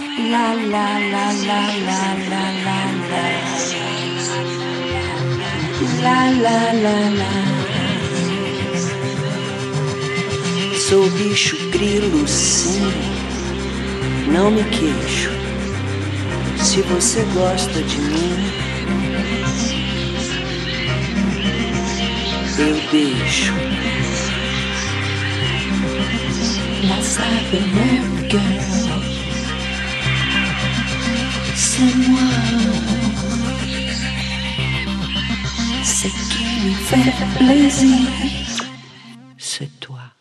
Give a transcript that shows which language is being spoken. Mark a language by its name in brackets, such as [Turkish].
[Portuguese] La la la la la la la la la la la la. Sou bicho grilo, sim, não me queixo. Se você gosta de mim, eu deixo. [French] La Cyber Nerd Girl, c'est moi. C'est qui me fait plaisir, c'est toi.